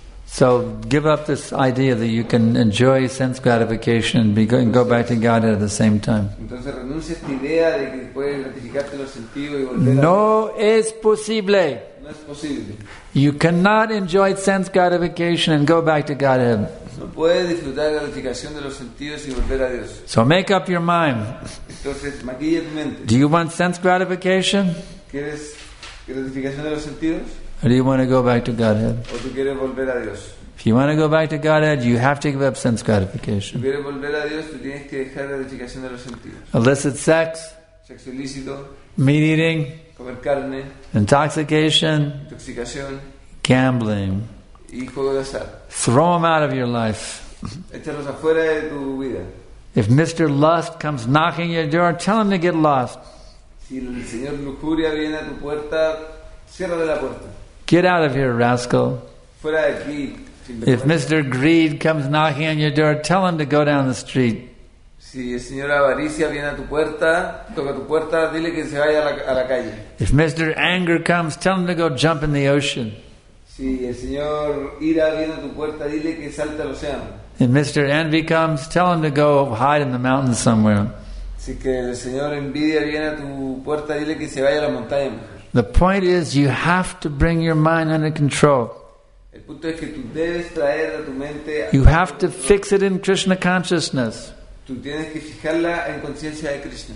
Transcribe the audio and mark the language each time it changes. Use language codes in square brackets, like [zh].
[en] So give up this idea that you can enjoy sense gratification and go back to Godhead at the same time. [es] Entonces, renuncia a esta idea de que puedes gratificarte los sentidos y volver a... No es posible. No es posible. [en] You cannot enjoy sense gratification and go back to Godhead. [es] No puedes disfrutar gratificación de los sentidos y volver a Dios. [en] So make up your mind. [es] Entonces, maquilla tu mente. [en] Do you want sense gratification? [es] ¿Quieres gratificación de los sentidos? [en] Or do you want to go back to Godhead? [es] ¿O tú quieres volver a Dios? [en] If you want to go back to Godhead, you have to give up sense gratification. [es] Si quieres volver a Dios, tú tienes que dejar la gratificación de los sentidos. [en] Illicit sex. [es] Sexo ilícito. [en] Meat eating. [es] Comer carne. [en] Intoxication. [es] Intoxicación. [en] Gambling. [es] Y juego de azar. [en] Throw them out of your life. [es] Échalos afuera de tu vida. [en] If Mr. Lust comes knocking your door, tell him to get lost. [es] Si el señor Lujuria viene a tu puerta, cierra de la puerta. [en] Get out of here, rascal. [es] Fuera de aquí. [en] If Mr. Greed comes knocking on your door, tell him to go down the street. [es] Si el señor Avaricia viene a tu puerta, toca tu puerta, dile que se vaya a la calle. [en] If Mr. Anger comes, tell him to go jump in the ocean. [es] Si el señor Ira viene a tu puerta, dile que salte al océano. [en] If Mr. Envy comes, tell him to go hide in the mountains somewhere. [es] Si que el señor Envidia viene a tu puerta, dile que se vaya a la montaña. [en] The point is, you have to bring your mind under control. [es] El punto es que tú debes traer a tu mente a... [en] You have to fix it in Krishna consciousness. [es] Tú tienes que fijarla en conciencia de Krishna.